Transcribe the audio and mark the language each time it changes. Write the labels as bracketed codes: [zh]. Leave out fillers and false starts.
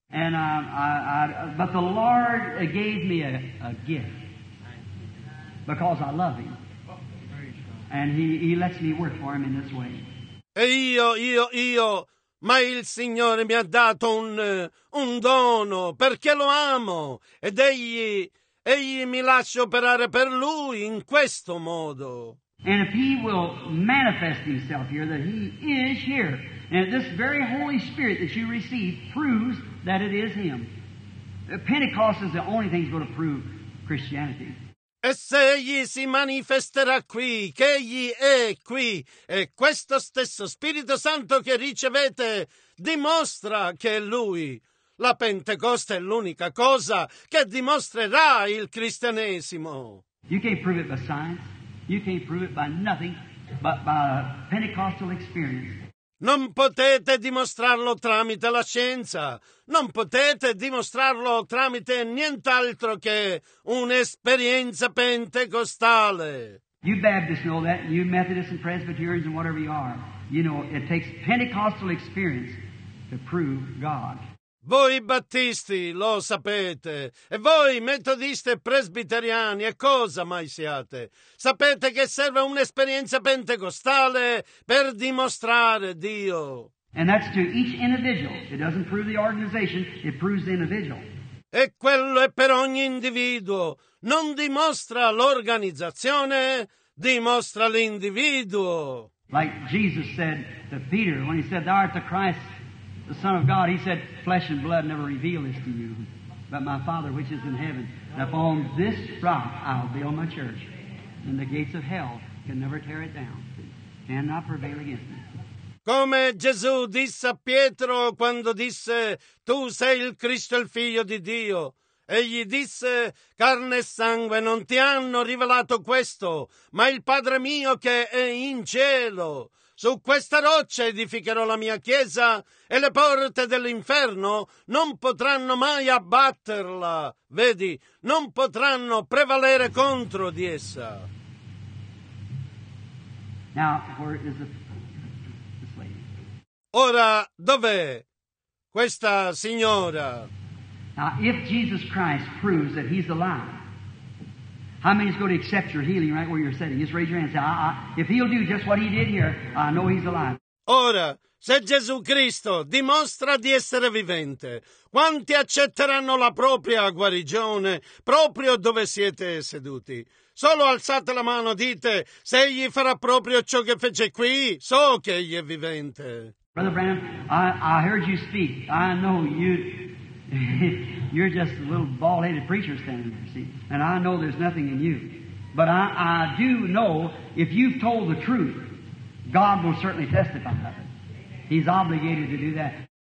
[en] But the Lord gave me a gift. because I love him. And he lets me work for him in this way. [it] E io, ma il Signore mi ha dato un dono perché lo amo ed egli mi lascia operare per lui in questo modo. [en] And if he will manifest himself here, that he is here, and this very Holy Spirit that you receive proves that it is him. Pentecost is the only thing that's going to prove Christianity. [it] E se egli si manifesterà qui, che egli è qui, e questo stesso Spirito Santo che ricevete dimostra che è lui. La Pentecoste è l'unica cosa che dimostrerà il cristianesimo. [en] You can't prove it by science. You can't prove it by nothing but by Pentecostal experience. [it] Non potete dimostrarlo tramite la scienza. Non potete dimostrarlo tramite nient'altro che un'esperienza pentecostale. [en] You Baptists know that, you Methodists and Presbyterians and whatever you are. You know, it takes Pentecostal experience to prove God. [it] Voi Battisti lo sapete, e voi Metodisti e Presbiteriani, e cosa mai siate, sapete che serve un'esperienza pentecostale per dimostrare Dio. [en] And that's to each individual. It doesn't prove the organization, it proves the individual. [it] E quello è per ogni individuo. Non dimostra l'organizzazione, dimostra l'individuo. [en] Like Jesus said to Peter, when he said, "Thou art the Christ, the Son of God," he said, "Flesh and blood never reveal this to you, but my Father which is in heaven. Upon this rock I'll build my church, and the gates of hell can never tear it down, cannot prevail against it." [it] Come Gesù disse a Pietro quando disse, "Tu sei il Cristo, il Figlio di Dio." Egli disse, "Carne e sangue non ti hanno rivelato questo, ma il Padre mio che è in cielo. Su questa roccia edificherò la mia chiesa e le porte dell'inferno non potranno mai abbatterla." Vedi, non potranno prevalere contro di essa. [en] Now, where is this lady? [it] Ora, dov'è questa signora? [en] Now, if Jesus Christ proves that he's alive, how many is going to accept your healing right where you're sitting? Just raise your hand and say, if he'll do just what he did here, I know he's alive. [it] Ora, se Gesù Cristo dimostra di essere vivente, quanti accetteranno la propria guarigione proprio dove siete seduti? Solo alzate la mano, dite, se egli farà proprio ciò che fece qui, so che egli è vivente. [en] Brother Branham, I heard you speak. I know you... You're just a little bald-headed preacher standing there, see? And I know there's nothing in you. But I do know if you've told the truth, God will certainly testify of it. He's obligated to do that.